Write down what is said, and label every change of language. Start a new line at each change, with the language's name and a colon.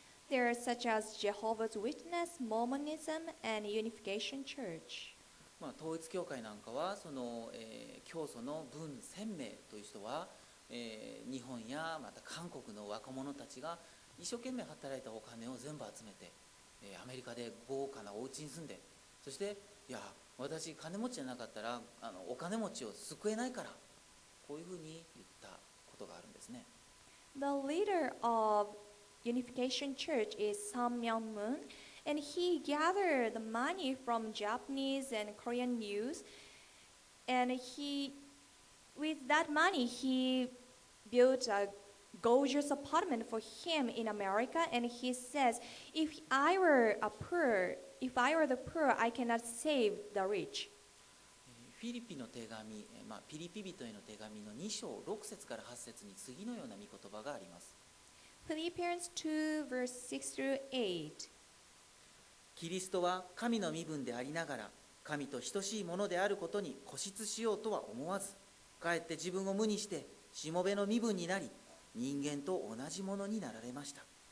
English: There are such as Jehovah's Witness, Mormonism, and Unification Church.
Japanese: まあ統一教会なんかはその、教祖の文鮮明という人は、日本やまた韓国の若者たちが一生懸命働いたお金を全部集めて、アメリカで豪華なお家に住んで、そしていや私金持ちじゃなかったらお金持ちを救えないから、こういうふうに言ったことがあるんですね。
English: The leader of Unification Church is Sam Myung-moon, and he gathered the money from Japanese and Korean news, and he, with that money, he built a gorgeous apartment for him in America. And he says, "If I were the poor, I cannot save the rich."
Japanese: Philippi の手紙、まあピリピ人への手紙の2章6節から8節に次のような御言葉があります。
English: Philippians 2, verse 6 through 8.
Japanese: キリストは神の身分でありながら、神と等しいものであることに固執しようとは思わず、かえって自分を無にして、しもべの身分になり、人間と同じものになられました。